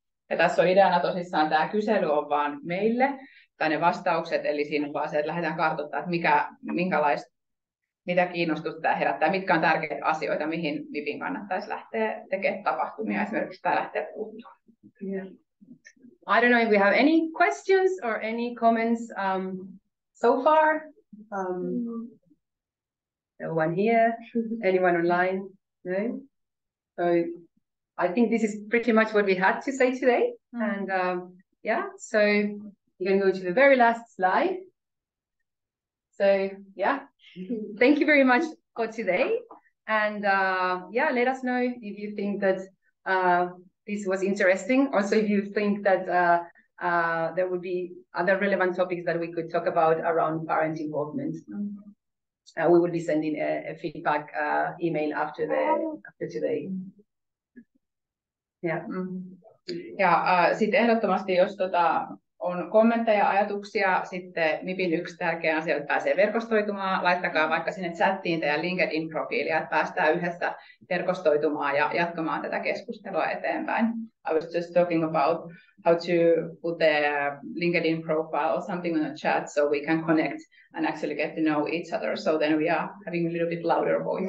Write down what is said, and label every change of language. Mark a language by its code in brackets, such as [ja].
[fi] Ja tässä on ideana tosissaan, tämä kysely on vaan meille, tai ne vastaukset, eli siinä on vaan se, että lähdetään kartoittamaan, että mitä kiinnostusta tämä herättää, mitkä on tärkeitä asioita, mihin MiBin kannattaisi lähteä tekemään tapahtumia esimerkiksi tai lähteä puhuttua. [en] I don't know if we have any questions or any comments so far. No one here? Anyone online? No? So I think this is pretty much what we had to say today. Mm-hmm. And yeah, so you can go to the very last slide. So yeah, thank you very much for today. And yeah, let us know if you think that this was interesting. Also, if you think that there would be other relevant topics that we could talk about around parent involvement, mm-hmm. We will be sending a feedback email after today. Yeah. Mm-hmm. [fi] Ja sitten ehdottomasti, jos on kommentteja, ajatuksia, sitten MiBin yksi tärkeä asia, että pääsee verkostoitumaan. Laittakaa vaikka sinne chattiin teidän LinkedIn-profiilia, että päästään yhdessä verkostoitumaan ja jatkamaan tätä keskustelua eteenpäin. [en] I was just talking about how to put the LinkedIn profile or something in the chat so we can connect and actually get to know each other. So then we are having a little bit louder voice.